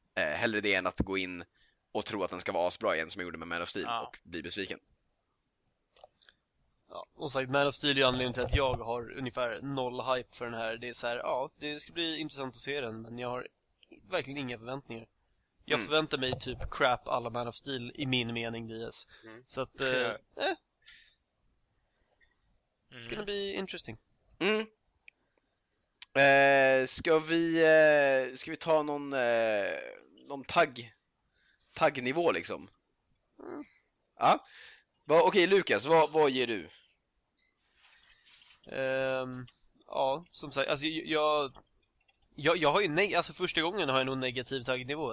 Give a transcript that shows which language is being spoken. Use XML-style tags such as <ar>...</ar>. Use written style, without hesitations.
<sv>Hellre det än att gå in och tro att den ska vara asbra igen, som jag gjorde med Man of Steel, ja, och bli besviken. Ja, och sagt, Man of Steel är ju anledningen till att jag har ungefär noll hype för den här. Det är så här, ja, det ska bli intressant att se den, men jag har verkligen inga förväntningar. Jag förväntar mig typ crap alla Man of Steel, i min mening, Dias. Mm. Så att,</sv> <en>it's gonna be interesting. Mm.</en> <sv>Ska vi ta någon taggnivå liksom? Ja. Okej, Lukas, vad ger du? Ja, som sagt, alltså jag har ju första gången har jag nog negativ taggnivå.</sv>